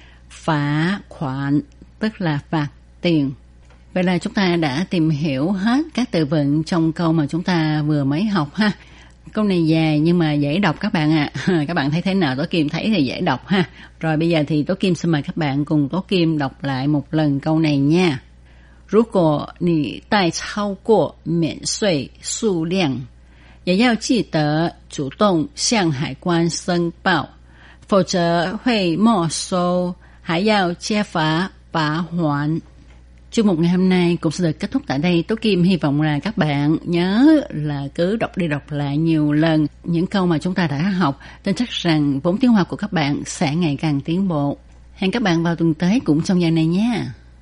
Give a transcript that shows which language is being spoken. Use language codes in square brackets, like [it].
[vi] Phá khoản tức là phạt tiền. Vậy là chúng ta đã tìm hiểu hết các từ vựng trong câu mà chúng ta vừa mới học ha. Câu này dài nhưng mà dễ đọc các bạn ạ. Các bạn thấy thế nào? Tố Kim thấy thì dễ đọc ha. Rồi bây giờ thì Tố Kim xin mời các bạn cùng Tố Kim đọc lại một lần câu này nha. [zh] 如果你带超过免税数量，也要记得主动向海关申报，否则会没收。 [vi] Hãy giao che phá phá hoạn. Chương mục ngày hôm nay cũng sẽ được kết thúc tại đây. Tố Kim hy vọng là các bạn nhớ là cứ đọc đi đọc lại nhiều lần những câu mà chúng ta đã học. Tin chắc rằng vốn tiếng Hoa của các bạn sẽ ngày càng tiến bộ. Hẹn các bạn vào tuần tới cũng trong giờ này nha.